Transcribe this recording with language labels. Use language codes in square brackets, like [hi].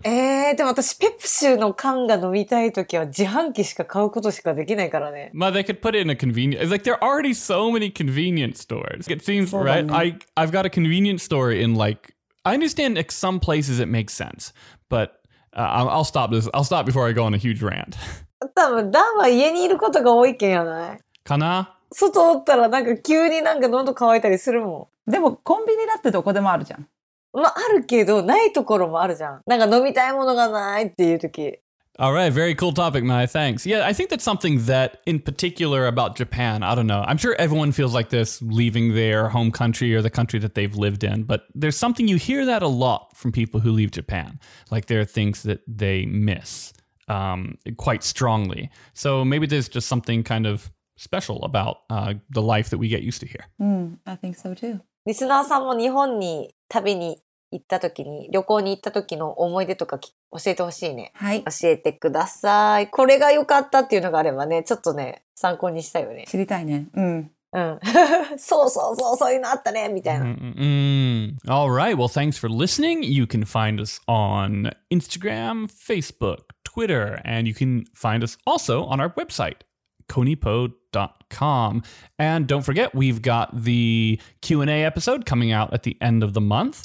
[ja] でも私、ペプシの缶が飲みたい時は自販機しか買うことしかできないからね。 [en] まあ、they could put it in a convenience. It's like, there are already so many convenience stores. It seems, right? I've got a convenience store in like, I understand like some places it makes sense, but I'll stop this. I'll stop before I go on a huge rant. [ja] 多分、ダンは家にいることが多いけんやない。かな? 外おったらなんか急になんか喉乾いたりするもん。でもコンビニだってどこでもあるじゃん。まああるけど、ないところもあるじゃん。なんか飲みたいものがないっていう時。 [en] All right, very cool topic, Maya. Thanks. Yeah, I think that's something that in particular about Japan, I don't know. I'm sure everyone feels like this leaving their home country or the country that they've lived in. But there's something, you hear that a lot from people who leave Japan. Like there are things that they miss quite strongly. So maybe there's just something kind of special about the life that we get used to here. I think so too. [ja] リスナーさんも日本に旅に行った時に、旅行に行った時の思い出とか教えてほしいね。はい。教えてください。これが良かったっていうのがあればね、ちょっとね、参考にしたいよね。知りたいね。うん。うん、そうそうそう、そういうのあったねみたいな。 [en] All right. Well, thanks for listening. You can find us on Instagram, Facebook, Twitter, and you can find us also on our website, konipo.com. And don't forget, we've got the Q&A episode coming out at the end of the month.